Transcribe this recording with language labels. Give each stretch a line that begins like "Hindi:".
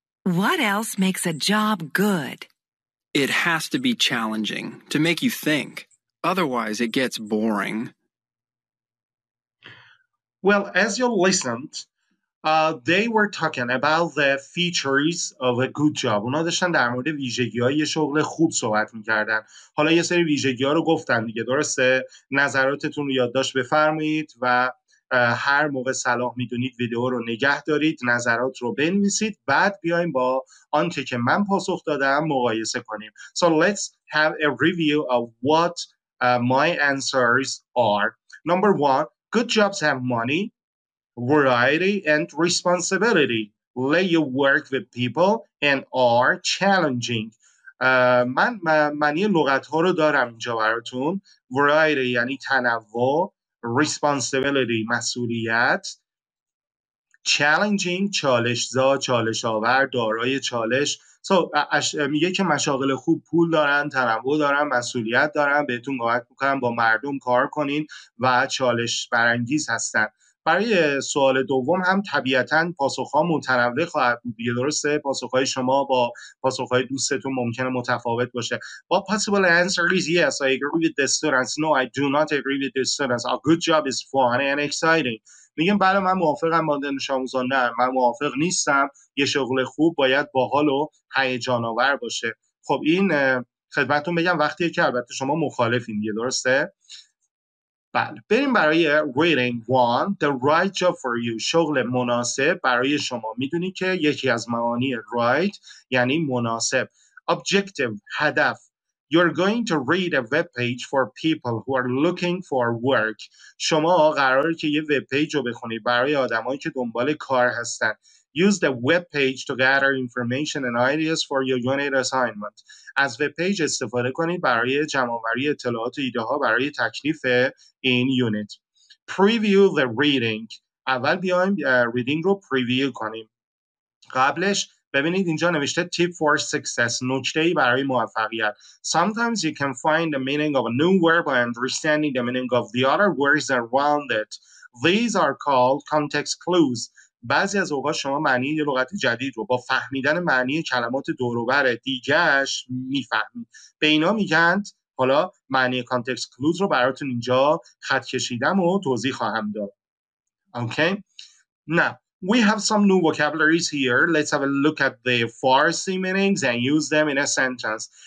English: What else makes a job good? It has to be challenging to make you think. Otherwise, it gets boring. Well, as you listened, they were talking about the features of a good job.
Persian: اونا داشتن در مورد ویژگی‌های یه شغل خوب صحبت می‌کردن. حالا یه سری ویژگی‌ها رو گفتن دیگه. درسته؟ نظراتتون رو یادداشت بفرمایید و هر موقع صلاح میدونید ویدیو رو نگه دارید، نظرات رو بنویسید، بعد بیایم با آنچه که من پاسخ دادم مقایسه کنیم.
English: So let's have a review of what my answers are. Number one, good jobs have money, variety and responsibility. Let you work with people and are challenging.
Persian: من معنی لغت ها رو دارم اینجا براتون. Variety یعنی تنوع. Responsibility مسئولیت. Challenging چالش‌زا، چالش‌آور، دارای چالش. So میگه که مشاغل خوب پول دارن، تنوع دارن، مسئولیت دارن، بهتون کمک می‌کنن با مردم کار کنین و چالش برانگیز هستن. برای سوال دوم هم طبیعتاً پاسخ ها متنوع خواهد بود. درسته؟ پاسخ های شما با پاسخ های دوستتون ممکنه متفاوت باشه.
English: What possible answer is yes, I agree with the students. No, I do not agree with the students. A good job is fun and exciting.
Persian: میگم بله من موافقم با دانش آموزان. نه من موافق نیستم. یه شغل خوب باید باحال و هیجان آور باشه. خب این خدمتتون بگم وقتی که البته شما مخالفین دیگه. درسته؟ بله. بریم برای
English: rating one, the right job for you.
Persian: شغل مناسب برای شما. میدونی که یکی از معانی right یعنی مناسب. Objective, هدف.
English: You're going to read a web page for people who are looking for work.
Persian: شما قراره که یه web page رو بخونید برای آدمایی که دنبال کار هستن.
English: Use the web page to gather information and ideas for your unit assignment.
Persian: از وب پیج استفاده کنید برای جمع‌آوری اطلاعات و ایده‌ها برای تکلیف این یونیت.
English: Preview the reading.
Persian: اول بیایم reading رو preview کنیم. قبلش ببینید اینجا نوشته
English: tip for success.
Persian: نکته برای موفقیت.
English: Sometimes you can find the meaning of a new word by understanding the meaning of the other words around it. These are called context clues.
Persian: بعضی از اوقات شما معنی یه لغت جدید رو با فهمیدن معنی کلمات دوروبر دیگه‌اش میفهمید. به اینا میگن، حالا معنی context clues رو براتون اینجا خط کشیدم و توضیح خواهم داد.
English: Okay? Now, we have some new vocabularies here. Let's have a look at the Farsi meanings and use them in a sentence.